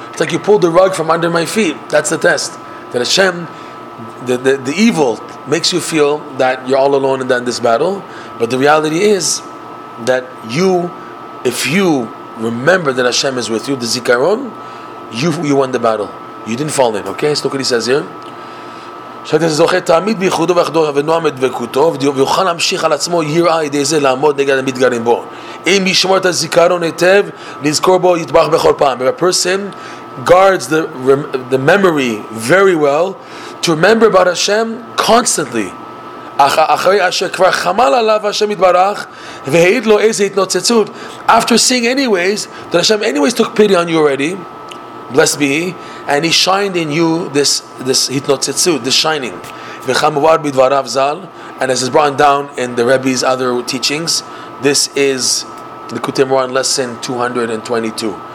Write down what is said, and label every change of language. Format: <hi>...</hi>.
<en>It's like you pulled the rug from under my feet. That's the test. That Hashem, the evil, makes you feel that you're all alone in this battle. But the reality is that you, if you remember that Hashem is with you, the zikaron, you won the battle. You didn't fall in. Okay? So look what he says here.</en> <he>שאתה זוכה תמיד בייחודו ואחדו ונועם את דבקותו ויוכל להמשיך על עצמו יראה ידי זה לעמוד נגד המתגרים בו אם ישמור את הזיכרון היטב נזכור בו יתברך בכל פעם.</he> <en>If a person guards the memory very well, to remember about Hashem constantly,</en> <he>אחרי אשר כבר חמל עליו השם יתברך והעיד לו איזה התנוצצות.</he> <en>After seeing anyways that Hashem anyways took pity on you already, blessed be he, and he shined in you this התנוצצות, this shining.</en> <he>וכמובן בדבריו ז"ל,</he> <en>and as is brought down in the Rebbe's other teachings, this is the Likutei Moran lesson 222.</en>